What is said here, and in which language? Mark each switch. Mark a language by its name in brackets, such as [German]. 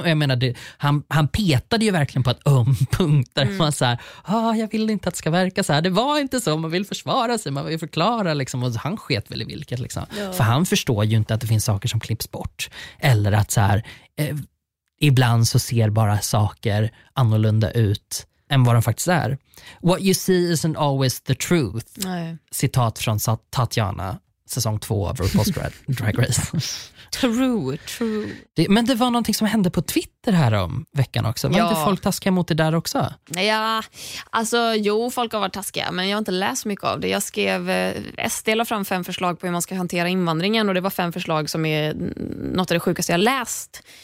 [Swedish] Och jag menar, han petade ju verkligen på ett öm punkt där man såhär, jag vill inte att det ska verka så här. Det var inte så, man vill försvara sig, man vill förklara liksom. Och han sket väl i vilket liksom. Ja. För han förstår ju inte att det finns saker som klipps bort. Eller att såhär, ibland så ser bara saker annorlunda ut än vad de faktiskt är. [English] What you see isn't always the truth. [Swedish] Nej. Citat från Tatjana, säsong 2 av RuPaul's Drag Race. [English] True. [Swedish] Men det var någonting som hände på Twitter här om veckan också. Var inte folk taskiga mot det där också? Ja, alltså jo, folk har varit taskiga, men jag har inte läst så mycket av det. Jag skrev, SD la fram 5 förslag på hur man ska hantera invandringen, och det var 5 förslag som är något av det sjukaste jag läst.